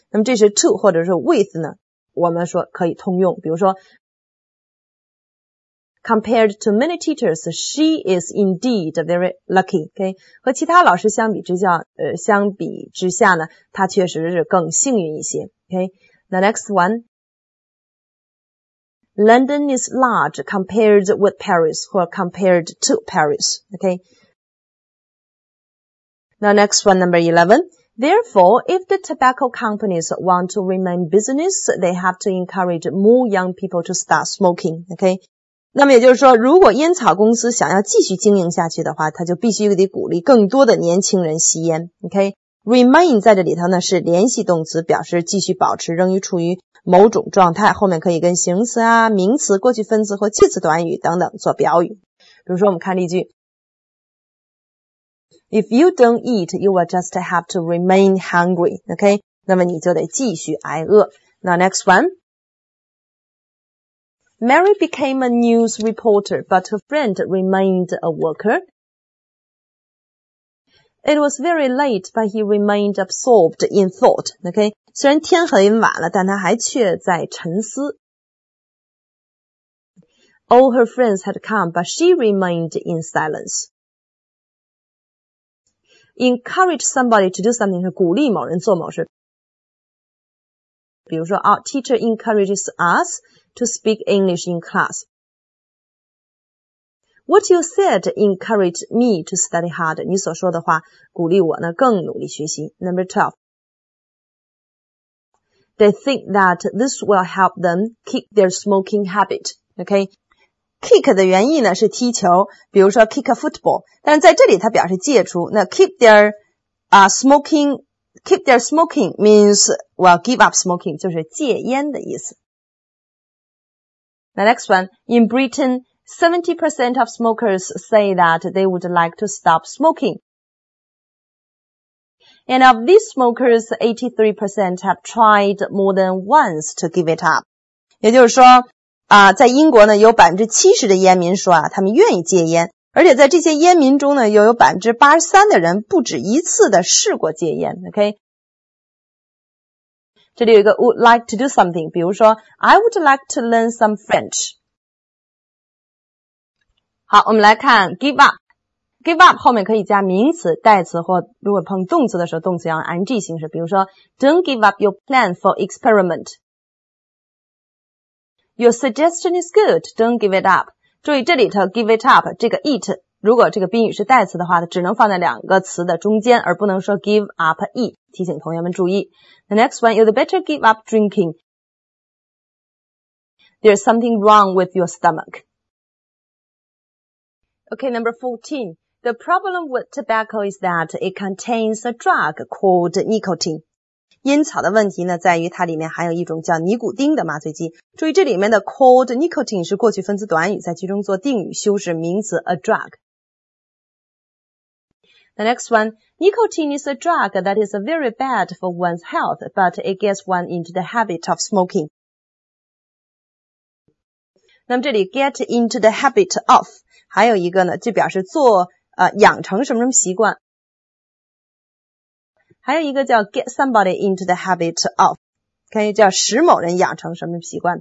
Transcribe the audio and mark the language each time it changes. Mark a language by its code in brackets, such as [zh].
[zh] 那么这是 to 或者是 with 呢，我们说可以通用。比如说 [en] Compared to many teachers, she is indeed very lucky. [zh] Okay, 和其他老师相比之下，相比之下呢，她确实是更幸运一些。 [en] Okay, the next one. London is large compared with Paris or compared to Paris. Okay. The next one, number 11. Therefore, if the tobacco companies want to remain business, they have to encourage more young people to start smoking. Okay. [zh] 那么也就是说，如果烟草公司想要继续经营下去的话，它就必须得鼓励更多的年轻人吸烟。 [en] Okay? [zh] Remain 在这里头呢是联系动词，表示继续保持，仍于处于某种状态，后面可以跟形容词啊、名词、过去分词或介词短语等等做表语。比如说我们看例句， [en] If you don't eat, you will just have to remain hungry. [zh] Okay? 那么你就得继续挨饿。 [en] Now next one. Mary became a news reporter, but her friend remained a worker. It was very late, but he remained absorbed in thought. [zh] Okay, 虽然天很晚了，但他还却在沉思。 [en] All her friends had come, but she remained in silence. Encourage somebody to do something, [zh] 是鼓励某人做某事。比如说 [en] ,our teacher encourages us to speak English in class. What you said encouraged me to study hard. [zh] 你所说的话鼓励我呢更努力学习。 [en] Number 12. They think that this will help them kick their smoking habit. Okay? Kick [zh] 的原意呢是踢球，比如说 [en] kick a football. [zh] 但在这里它表示戒除，那 [en] keep their smoking means well give up smoking, [zh] 就是戒烟的意思。 [en] The next one, in Britain, 70% of smokers say that they would like to stop smoking. And of these smokers, 83% have tried more than once to give it up. [zh] 也就是说，在英国呢，有 70% 的烟民说啊，他们愿意戒烟。而且在这些烟民中呢，又有 83% 的人不止一次的试过戒烟。 [en] OK? [zh] 这里有一个 [en] would like to do something, [zh] 比如说 [en] I would like to learn some French. [zh] 好，我们来看 give up。Give up 后面可以加名词、代词或如果碰动词的时候，动词要 ing 形式。比如说 ， [en] Don't give up your plan for experiment. Your suggestion is good. Don't give it up. [zh] 注意这里头 give it up 这个 it， 如果这个宾语是代词的话，只能放在两个词的中间，而不能说 give up it。提醒同学们注意。 [en] The next one, you'd better give up drinking. There's something wrong with your stomach. Okay, number 14. The problem with tobacco is that it contains a drug called nicotine. [zh] 烟草的问题呢，在于它里面含有一种叫尼古丁的麻醉剂。注意这里面的 called nicotine 是过去分词短语，在其中做定语修饰名词 a drug. [en] The next one, nicotine is a drug that is very bad for one's health, but it gets one into the habit of smoking. [zh] 那么这里 get into the habit of 还有一个呢，就表示做养成什么什么习惯，还有一个叫 get somebody into the habit of，可以叫使某人养成什么习惯。